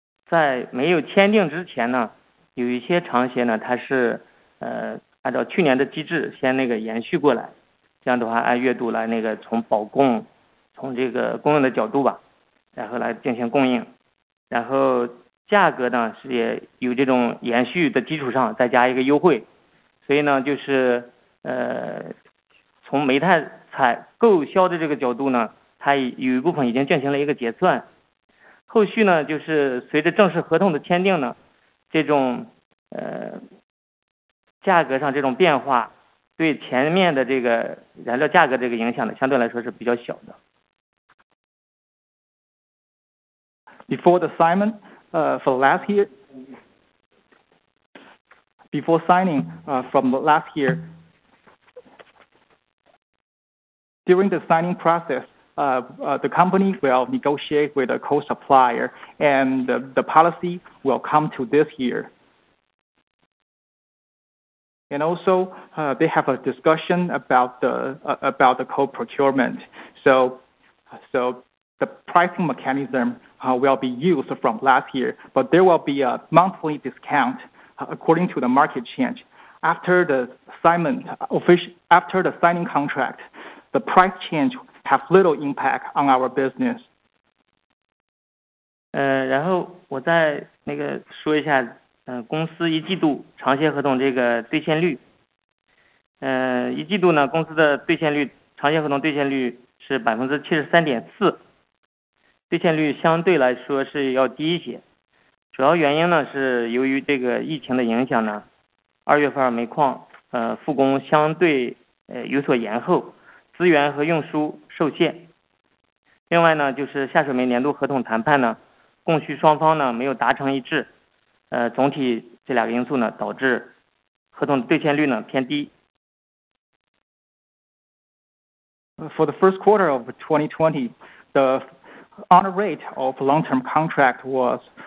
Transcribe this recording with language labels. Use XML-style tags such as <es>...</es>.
<zh>在没有签订之前呢，有一些长协呢，它是按照去年的机制先那个延续过来，这样的话按月度来那个从保供，从这个供应的角度吧，然后来进行供应，然后价格呢是也有这种延续的基础上再加一个优惠，所以呢就是从煤炭采购销的这个角度呢，它有一部分已经进行了一个结算。后续呢，就是随着正式合同的签订呢，这种价格上这种变化，对前面的这个燃料价格这个影响呢，相对来说是比较小的。</zh> <en>Before the signing, for last year, before signing, from last year, during the signing process. The company will negotiate with a coal supplier, and the policy will come to this year. And also, they have a discussion about the coal procurement. So the pricing mechanism will be used from last year, but there will be a monthly discount according to the market change. After the assignment, after the signing contract, the price changeHave little impact on our business.</en> <zh>然后我再那个说一下，公司一季度长协合同这个兑现率。一季度呢，公司的兑现率，长协合同兑现率是73.4%，兑现率相对来说是要低一些。主要原因呢，是由于这个疫情的影响呢，二月份煤矿复工相对有所延后。资源和运输受限。另外呢，就是下水煤年度合同谈判呢，供需双方呢没有达成一致，总体这两个因素呢导致合同兑现率呢偏低。</zh> <en>For the first quarter of 2020, the honor rate of long-term contract was</en>